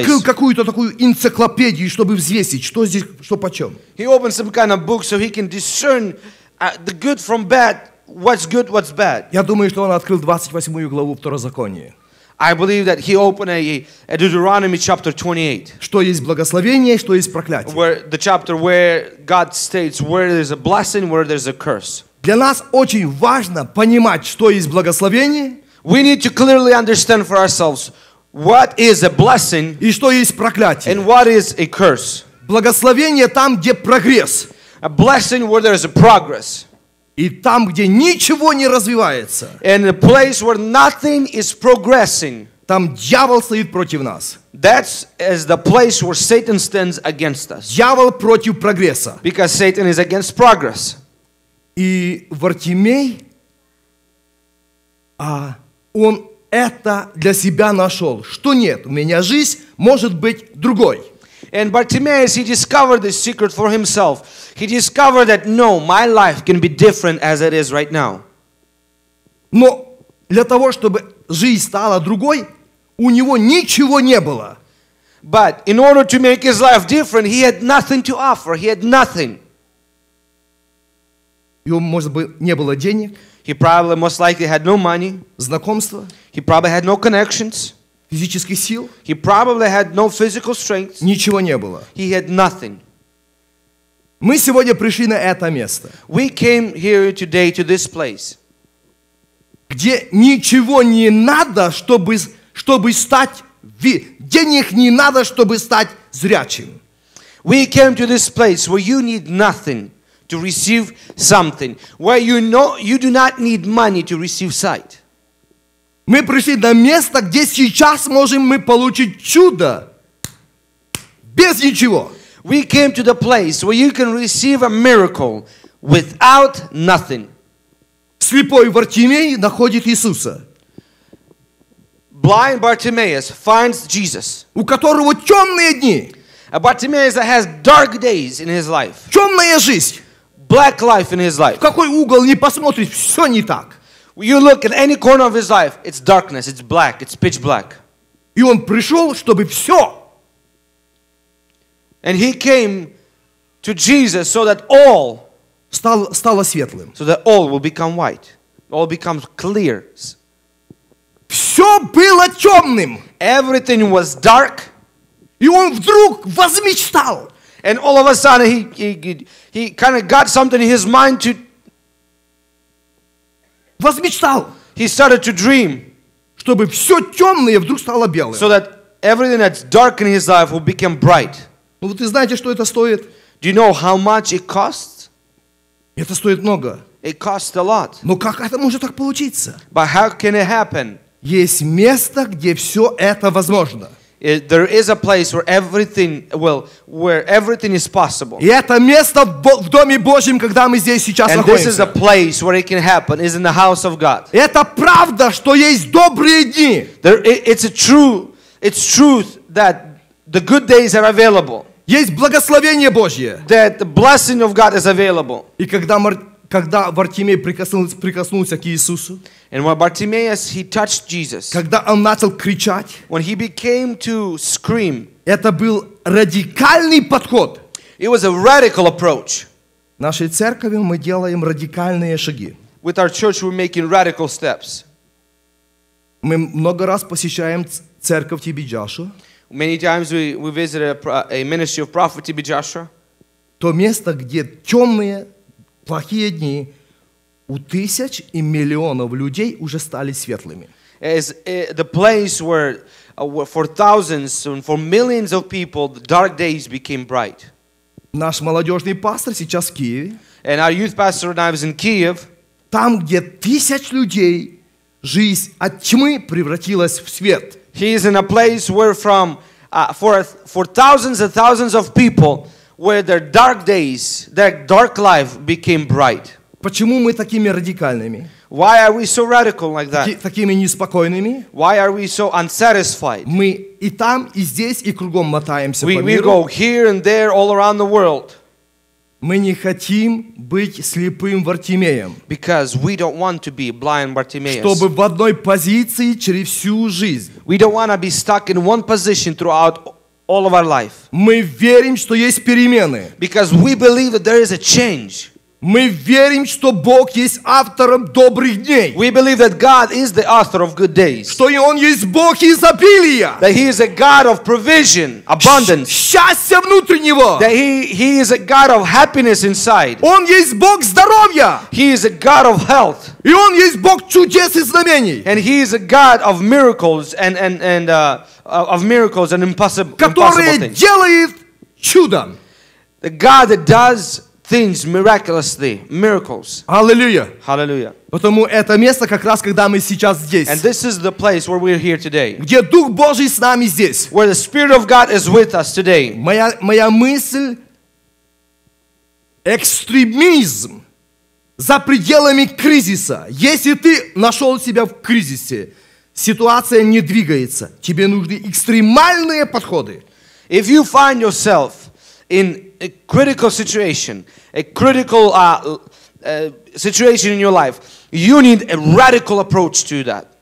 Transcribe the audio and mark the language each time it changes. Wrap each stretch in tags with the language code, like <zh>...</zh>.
<ru>Открыл какую-то такую энциклопедию, чтобы взвесить, что здесь, что почем.</ru> <en>He opened some kind of book so he can discern the good from bad, what's good, what's bad.</en> <ru>Я думаю, что он открыл 28 главу Второзакония.</ru> <en>I believe that he opened a Deuteronomy chapter 28.</en> <ru>Что есть благословение, что есть проклятие.</ru> <en>Where the chapter where God states where there's a blessing, where there's a curse.</en> <ru>Для нас очень важно понимать, что есть благословение.</ru> <en>We need to clearly understand for ourselves what is a blessing</en> <ru>и что есть проклятие.</ru> <en>And what is a curse.</en> <ru>Благословение там, где прогресс.</ru> <en>A blessing where there is a progress.</en> <ru>И там, где ничего не развивается.</ru> <en>And a place where nothing is progressing.</en> <ru>Там дьявол стоит против нас.</ru> <en>That's as the place where Satan stands against us.</en> <ru>Дьявол против прогресса.</ru> <en>Because Satan is against progress.</en> <ru>И Вартимей, он это для себя нашел. Что нет, у меня жизнь может быть другой.</ru> <en>And Bartimaeus, he discovered this secret for himself. He discovered that, no, my life can be different as it is right now.</en> <ru>Но для того, чтобы жизнь стала другой, у него ничего не было.</ru> <en>But in order to make his life different, he had nothing to offer. He had nothing.</en> <ru>У него, может быть, не было денег.</ru> <en>He probably, most likely, had no money.</en> <ru>Знакомства.</ru> <en>He probably had no connections.</en> <ru>Физических сил.</ru> <en>He probably had no physical strength.</en> <ru>Ничего не было.</ru> <en>He had nothing.</en> <ru>Мы сегодня пришли на это место.</ru> <en>We came here today to this place.</en> <ru>Где ничего не надо, чтобы стать, денег не надо, чтобы стать зрячим.</ru> <en>We came to this place where you need nothing to receive something. Where you know you do not need money to receive sight.</en> <ru>Мы пришли на место, где сейчас можем мы получить чудо без ничего.</ru> <en>We came to the place where you can receive a miracle without nothing.</en> <ru>Слепой Вартимей находит Иисуса.</ru> <en>Blind Bartimaeus finds Jesus.</en> <ru>У которого темные дни.</ru> <en>A Bartimaeus that has dark days in his life.</en> <ru>Темная жизнь.</ru> <en>Black life in his life.</en> <ru>В какой угол не посмотришь, все не так.</ru> <en>You look at any corner of his life, it's darkness, it's black, it's pitch black.</en> <ru>И он пришел, чтобы все.</ru> <en>And he came to Jesus so that all</en> <ru>стало светлым.</ru> <en>So that all will become white, all becomes clear.</en> <ru>Все было темным.</ru> <en>Everything was dark.</en> <ru>И он вдруг возмечтал.</ru> <en>And all of a sudden he kind of got something in his mind to</en> <ru>возмечтал.</ru> <en>He started to dream.</en> <ru>Чтобы все темное вдруг стало белым.</ru> <en>So that everything that's dark in his life will become bright.</en> <ru>Ну вот вы знаете, что это стоит?</ru> <en>Do you know how much it costs?</en> <ru>Это стоит много.</ru> <en>It costs a lot.</en> <ru>Но как это может так получиться?</ru> <en>But how can it happen?</en> <ru>Есть место, где все это возможно.</ru> <en>There is a place where everything, well, where everything is possible.</en> <ru>И это место в доме Божьем, когда мы здесь сейчас</ru> <en>and</en> <ru>находимся.</ru> <en>This is a place where it can happen, is in the house of God.</en> <ru>И это правда, что есть добрые дни.</ru> <en>There, it's truth that the good days are available.</en> <ru>Есть благословение Божье.</ru> <en>That the blessing of God is available.</en> <ru>И когда Вартимей прикоснулся к Иисусу,</ru> <en>and when Bartimaeus, he touched Jesus.</en> <ru>Когда он начал кричать,</ru> <en>when he became to scream,</en> <ru>это был радикальный подход.</ru> <en>It was a radical approach.</en> <ru>В нашей церкви мы делаем радикальные шаги.</ru> <en>With our church, we're making radical steps.</en> <ru>Мы много раз посещаем церковь Тиби Джошуа.</ru> <en>Many times we visit a ministry of prophet Тиби Джошуа.</en> <ru>То место, где темные, плохие дни, у тысяч и миллионов людей уже стали светлыми.</ru> <en>As the place where for thousands and for millions of people the dark days became bright.</en> <ru>Наш молодежный пастор сейчас в Киеве.</ru> <en>And our youth pastor now is in Kiev.</en> <ru>Там, где тысяч людей, жизнь от тьмы превратилась в свет.</ru> <en>He is in a place where from for thousands and thousands of people where their dark days, their dark life became bright.</en> <ru>Почему мы такими радикальными?</ru> <en>Why are we so radical like that?</en> <ru>Такими неспокойными?</ru> <en>Why are we so unsatisfied?</en> <ru>Мы и там, и здесь, и кругом мотаемся по миру.</ru> <en>We go here and there all around the world.</en> <ru>Мы не хотим быть слепым Вартимеем.</ru> <en>Because we don't want to be blind Bartimaeus.</en> <ru>Чтобы в одной позиции через всю жизнь.</ru> <en>We don't want to be stuck in one position throughout all of our life.</en> <ru>Мы верим, что есть перемены.</ru> <en>Because we believe that there is a change.</en> <ru>Мы верим, что Бог есть автором добрых дней.</ru> <en>We believe that God is the author of good days.</en> <ru>Что Он есть Бог изобилия.</ru> <en>That He is a God of provision, abundance.</en> <ru>Счастья внутреннего.</ru> <en>That He is a God of happiness inside.</en> <ru>Он есть Бог здоровья.</ru> <en>He is a God of health.</en> <ru>И Он есть Бог чудес и знамений.</ru> <en>And He is a God of miracles and impossible things.</en> <ru>Который делает чудо.</ru> <en>The God that does things miraculously, miracles. Hallelujah. Hallelujah.</en> <ru>Потому это место как раз, когда мы сейчас здесь.</ru> <en>And this is the place where we're here today.</en> <ru>Где Дух Божий с нами здесь.</ru> <en>Where the Spirit of God is with us today.</en> <ru>Моя мысль, экстремизм за пределами кризиса. Если ты нашел себя в кризисе, ситуация не двигается. Тебе нужны экстремальные подходы.</ru> <en>If you find yourself in a critical situation, a critical situation in your life, you need a radical approach to that.</en>